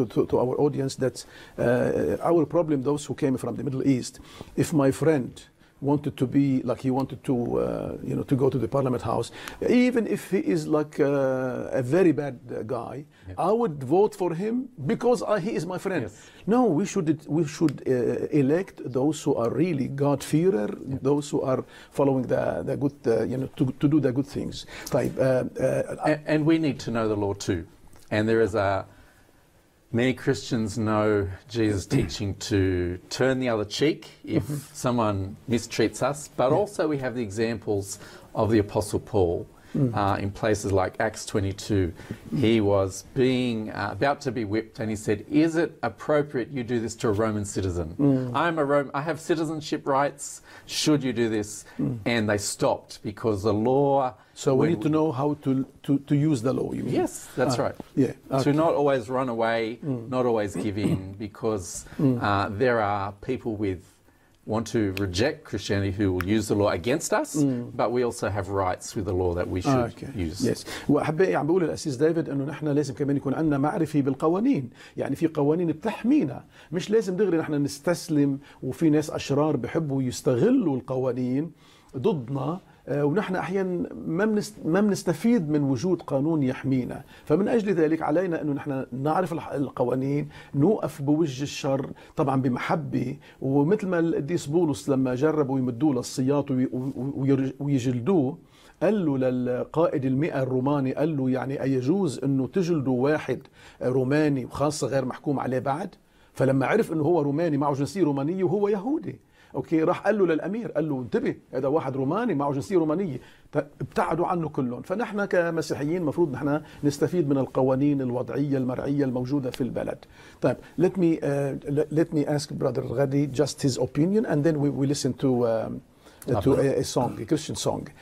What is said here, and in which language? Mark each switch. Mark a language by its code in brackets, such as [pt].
[en] to our audience that our problem those who came from the Middle East if my friend wanted to be like he wanted to you know to go to the parliament house even if he is like a very bad guy I would vote for him because he is my friend no we should elect those who are really god fearer those who are following the good you know to do the good things طيب, and we need to know the law too and there is a Many Christians know Jesus' teaching to turn the other cheek if someone mistreats us. But also we have the examples of the Apostle Paul in places like Acts 22. He was being about to be whipped and he said, is it appropriate you do this to a Roman citizen? I have citizenship rights. Should you do this? And they stopped because the law... So we need to know how to use the law, you mean? Yes, that's right. Yeah. Okay. To not always run away, not always give in, because there are people with want to reject Christianity who will use the law against us, but we also have rights with the law that we should use. Yes. [ar] وحبي عم بقول الأسيس ديفيد أنه نحن لازم كمان يكون عندنا معرفة بالقوانين. يعني في قوانين بتحمينا. مش لازم دغري نحن نستسلم وفي ناس أشرار بحبوا يستغلوا القوانين ضدنا ونحن أحيانا ما بنستفيد من وجود قانون يحمينا. فمن أجل ذلك علينا أنه نحن نعرف القوانين، نوقف بوجه الشر طبعا بمحبة، ومثل ما القديس بولس لما جربوا يمدوه للسياط ويجلدوه قال له للقائد المئة الروماني، قال له يعني أيجوز أنه تجلدوا واحد روماني وخاصة غير محكوم عليه بعد؟ فلما عرف أنه هو روماني معه جنسية رومانية وهو يهودي، اوكي، راح قال له للامير، قال له انتبه هذا واحد روماني معه جنسيه رومانيه، ابتعدوا عنه كلهم. فنحن كمسيحيين مفروض نحن نستفيد من القوانين الوضعيه المرعيه الموجوده في البلد. طيب [en] let me ask brother غادي just his opinion and then we listen to a song, a Christian song.